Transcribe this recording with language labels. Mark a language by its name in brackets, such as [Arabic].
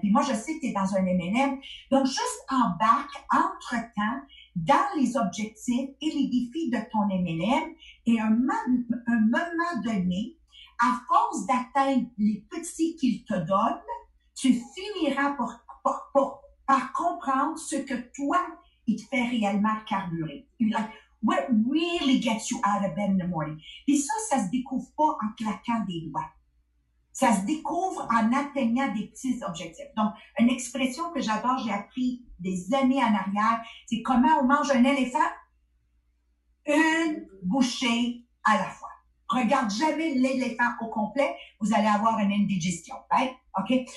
[French] Puis moi, je sais que tu es dans un MLM. Donc, juste embarque entre-temps dans les objectifs et les défis de ton MLM et un moment donné, à force d'atteindre les petits qu'il te donne, tu finiras par comprendre ce que toi, il te fait réellement carburer. [English] What really gets you out of bed in the morning? [French] Puis ça, ça se découvre pas en claquant des doigts. Ça se découvre en atteignant des petits objectifs. Donc, une expression que j'adore, j'ai appris des années en arrière, c'est comment on mange un éléphant? Une bouchée à la fois. Regarde jamais l'éléphant au complet, vous allez avoir une indigestion. Right? OK?